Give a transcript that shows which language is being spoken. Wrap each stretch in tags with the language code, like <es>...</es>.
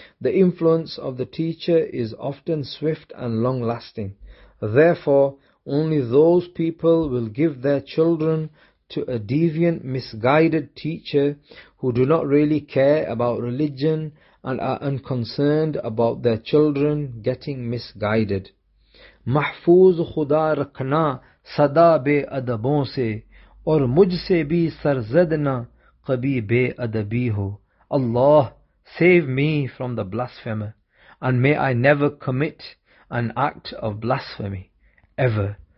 <en>The influence of the teacher is often swift and long-lasting. Therefore, Only those people will give their children to a deviant, misguided teacher who do not really care about religion and are unconcerned about their children getting misguided.</en> <ur>محفوظ خدا رکھنا صدا بے ادبوں سے اور مجھ سے بھی سرزد نہ کبھی بے ادبی ہو.</ur> <en>Allah, save me from the blasphemer, and may I never commit an act of blasphemy, ever.</en>